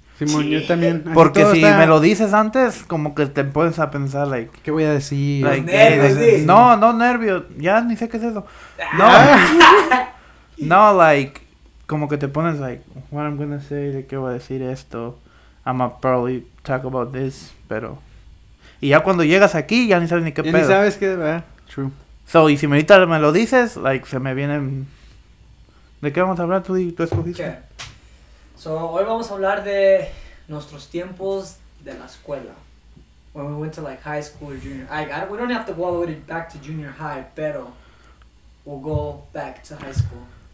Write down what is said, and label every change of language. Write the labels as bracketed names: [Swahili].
[Spanish] Simón, sí. Yo también. Porque si está... me lo dices antes, como que te pones a pensar, ¿qué voy a decir? Los nervios, ¿qué? No, no, nervios. Ya ni sé qué es eso. No. No, como que te pones, [English] what I'm gonna say, [Spanish] de qué voy a decir esto. [English] I'm gonna probably talk about this, pero. [Spanish] Y ya cuando llegas aquí, ya ni sabes ni qué ya pedo. Ni sabes qué, ¿verdad? [English] True. [Spanish] So, y si ahorita me lo dices, se me vienen. ¿De qué vamos a hablar tú escogiste? ¿Qué? So, hoy vamos a hablar de nuestros tiempos de la escuela. [English] When we went to high school, junior high. We don't have to go all the way back to junior high, pero we'll go back to high school.